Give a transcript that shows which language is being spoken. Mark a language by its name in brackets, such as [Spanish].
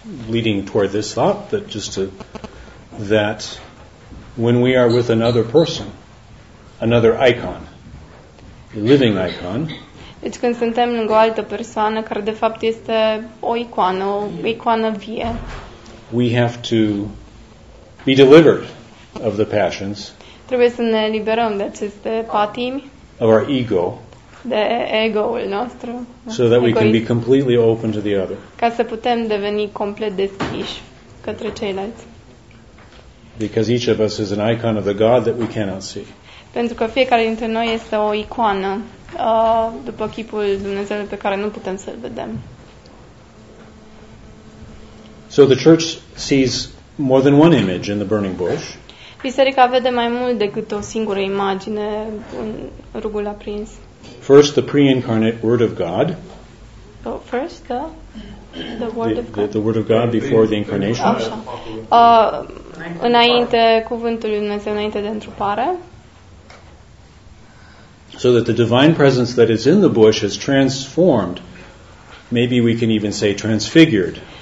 [English] Leading toward this thought that that when we are with another person, another icon, a living icon. [Romanian] Deci când suntem lângă o altă persoană care de fapt este o icoană, o icoană vie. [English] We have to be delivered of the passions. [Romanian] Trebuie să ne liberăm de aceste patimi. [English] Of our ego. [Romanian] De ego-ul nostru. [English] So that we can be completely open to the other. [Romanian] Ca să putem deveni complet deschiși către ceilalți. [English] Because each of us is an icon of the God that we cannot see. [Romanian] Pentru că fiecare dintre noi este o icoană după chipul Dumnezeului pe care nu putem să-l vedem. [English] So the church sees more than one image in the burning bush. [Romanian] Biserica vede mai mult decât o singură imagine în rugul aprins. [English] First, the pre-incarnate Word of God. So first, the Word of God. The Word of God before the incarnation. [Romanian] Așa. Înainte cuvântul lui Dumnezeu, înainte de întrupare. [English] So that the divine presence that is in the bush is transformed, maybe we can even say transfigured.